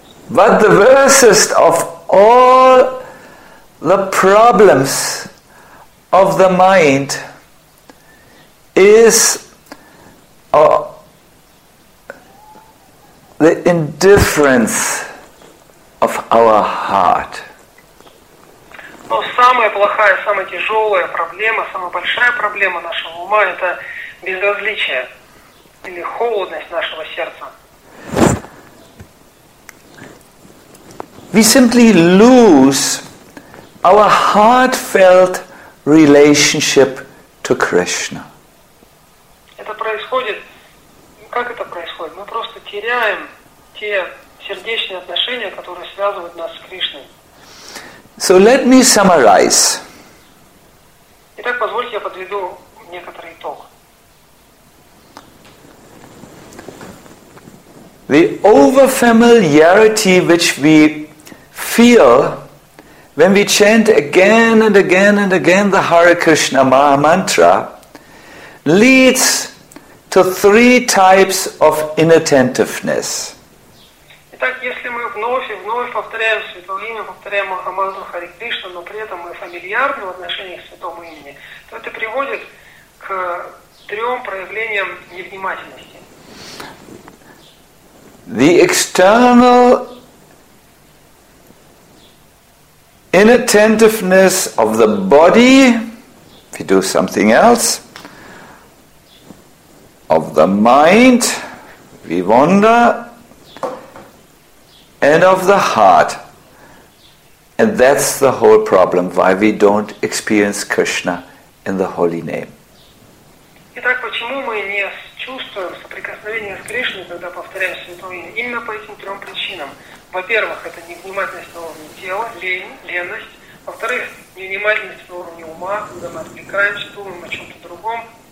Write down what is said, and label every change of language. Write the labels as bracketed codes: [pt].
[en] But the worst of all the problems of the mind is the indifference of our heart. [ru] Но самая плохая, самая тяжелая проблема, самая большая проблема нашего ума – это безразличие или холодность нашего сердца. [en] We simply lose our heartfelt relationship to Krishna. [ru] Как это происходит? Мы просто теряем те сердечные отношения, которые связывают нас с Кришной. [en] So let me summarize. [ru] Итак, позвольте я подведу некоторый итог. [en] The overfamiliarity which we feel when we chant again and again and again the Hare Krishna Maha Mantra leads to three types of inattentiveness. [ru] Итак, если мы вновь и вновь повторяем святое имя, повторяем Махамантру Харе Кришна, но при этом мы фамильярны в отношении к святому имени, то это приводит к трем проявлениям невнимательности. [en] The external inattentiveness of the body, if you do something else, of the mind, we wander, and of the heart. And that's the whole problem, why we don't experience Krishna in the holy name. [ru] Итак, почему мы не чувствуем соприкосновение с Кришной, когда повторяем святое имя? Именно по этим трем причинам. Во-первых, это невнимательность на уровне тела, леность. Во-вторых, невнимательность на уровне ума, когда мы отвлекаемся, думаем о чем-то другом.